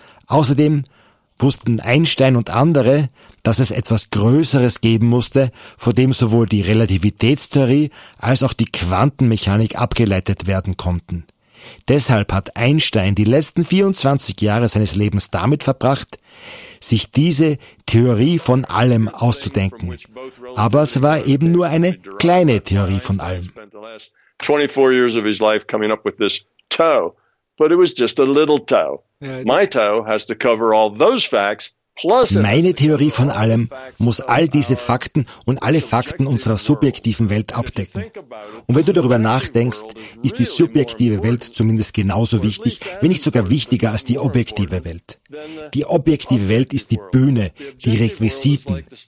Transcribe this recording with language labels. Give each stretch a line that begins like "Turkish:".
German: Außerdem wussten Einstein und andere, dass es etwas Größeres geben musste, vor dem sowohl die Relativitätstheorie als auch die Quantenmechanik abgeleitet werden konnten. Deshalb hat Einstein die letzten 24 Jahre seines Lebens damit verbracht, sich diese Theorie von allem auszudenken. Aber es war eben nur eine kleine Theorie von allem.
English: 24 years of his life coming up with this toe, but it was just a little toe. My toe has to cover all those facts
German: Meine Theorie von allem muss all diese Fakten und alle Fakten unserer subjektiven Welt abdecken. Und wenn du darüber nachdenkst, ist die subjektive Welt zumindest genauso wichtig, wenn nicht sogar wichtiger als die objektive Welt. Die objektive Welt ist die Bühne, die Requisiten.